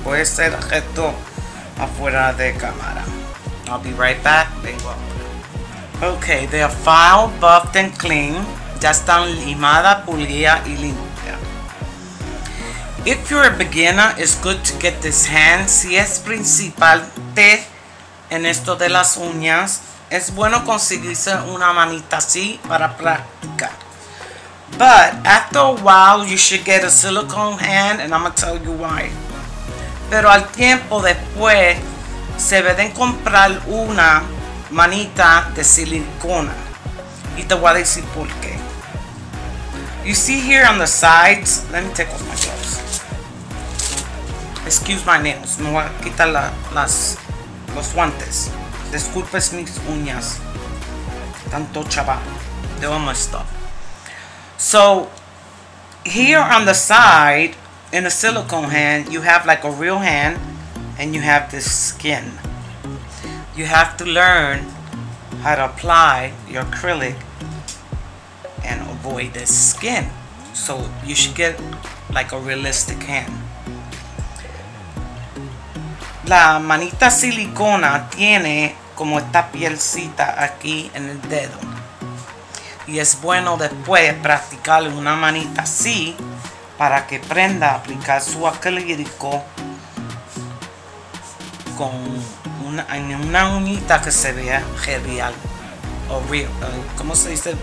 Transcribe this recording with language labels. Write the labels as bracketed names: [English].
[Spanish] Voy a hacer esto afuera de cámara. [English] I'll be right back. [Spanish] Vengo. [English] Okay, they are filed, buffed, and clean. [Spanish] Ya están limada, pulida y limpia. [English] If you're a beginner, it's good to get this hand. [Spanish] Si es principiante en esto de las uñas, es bueno conseguirse una manita así para practicar. [English] But after a while, you should get a silicone hand, and I'm going to tell you why. [Spanish] Pero al tiempo después, se deben comprar una manita de silicona. Y te voy a decir por qué. [English] You see here on the sides, let me take off my gloves. Excuse my nails, [Spanish] me voy a quitar los guantes. Disculpes mis uñas. Tanto chaval. [English] They're all messed up. So, here on the side, in a silicone hand, you have like a real hand, and you have this skin. You have to learn how to apply your acrylic and avoid this skin. So, you should get like a realistic hand. [Spanish] La manita silicona tiene como esta pielcita aquí en el dedo. Y es bueno después practicar una manita así para que aprenda a aplicar su acrílico con una uñita que se vea real o real, ¿cómo se dice?